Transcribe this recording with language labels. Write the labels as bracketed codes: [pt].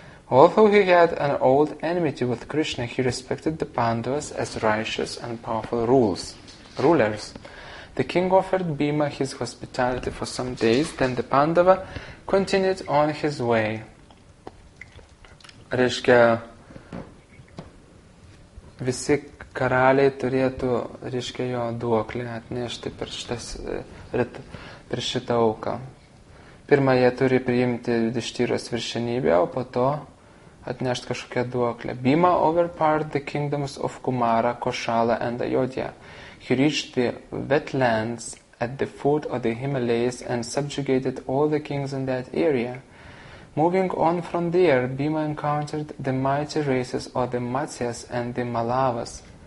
[en] Although he had an old enmity with Krishna, he respected the Pandavas as righteous and powerful rulers. The king offered Bhima his hospitality for some days, then the Pandava continued on his way. [lt] Reiškia, visi karaliai turėtų, reiškia, jo duoklį atnešti per šitą auką. Pirma, jie turi priimti Yudhishthiros viršenybę, o po to atnešti kažkokią duoklę. [en] Bhima overpowered the kingdoms of Kumara, Koshala and Ayodhya. He reached the wetlands at the foot of the Himalayas and subjugated all the kings in that area. Moving on from there, Bhima encountered the mighty races of the Matsyas and the Malavas.